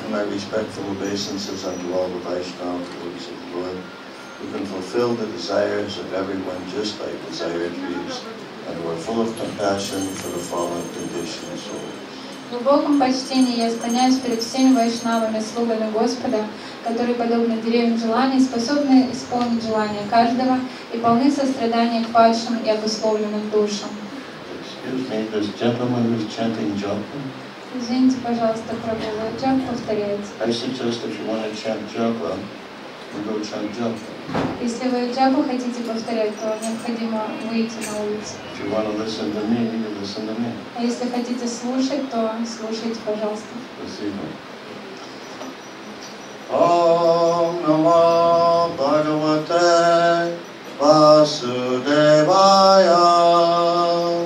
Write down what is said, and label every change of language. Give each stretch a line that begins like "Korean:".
English: Respectful obeisances unto all the Vaishnava devotees of the Lord, who can fulfill the desires of everyone just like desire dreams, and who are full of compassion for the fallen condition of souls.
Russian: В глубоком почтении я склоняюсь перед всеми вайшнавами, слугами Господа, которые, подобно деревьям желаний, способны исполнить желания каждого и полны сострадания к падшим и обусловленным душам.
English: Excuse me, this gentleman is chanting japa.
Russian: Извините, пожалуйста, пробовала. Джап повторяется.
English: I suggest if you want to chant japa, we go chant japa.
Russian: Если вы джапу хотите повторять, то необходимо выйти на улицу.
English: If you want to listen to me, you listen to me.
Russian: А если хотите слушать, то слушайте, пожалуйста. Спасибо. Ом намо Бхагавате Васудевая.